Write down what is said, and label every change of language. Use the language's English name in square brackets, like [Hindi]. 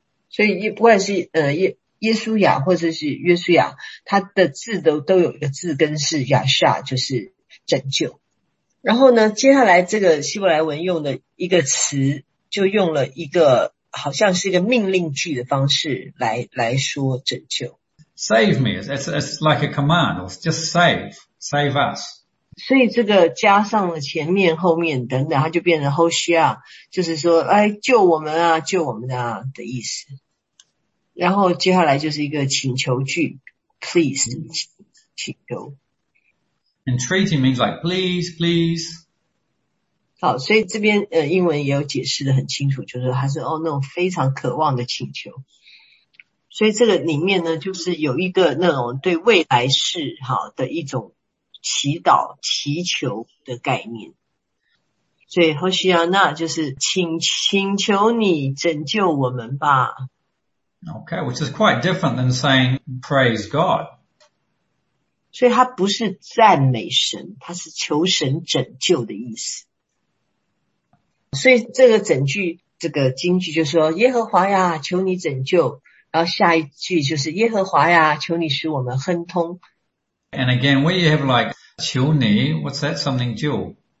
[Chinese] 所以不管是耶稣亚或者是约书亚，他的字都有一个字根是亚夏，就是拯救。然后呢，接下来这个希伯来文用的一个词，就用了一个好像是一个命令句的方式来说拯救。 [English] Save me, it's like a command, it's just save us. [Chinese] 所以这个加上了前面后面等等，它就变成 Hoshia, 就是说哎救我们啊，救我们啊的意思。然后接下来就是一个请求句 please 请求 [English] entreaty means like please [Chinese] 好，所以这边英文也有解释的很清楚，就是它是哦那种非常渴望的请求，所以这个里面呢就是有一个那种对未来事好的一种祈祷祈求的概念，所以 Hoshiana 就是请求你拯救我们吧。 [English] Okay, which is quite different than saying praise God. [Chinese] 所以它不是赞美神，它是求神拯救的意思。所以这个整句，这个经句就说，耶和华呀，求你拯救。然后下一句就是，耶和华呀，求你使我们亨通。 [English] And again, where you have like, [Chinese] 求你, [English] what's that something 救?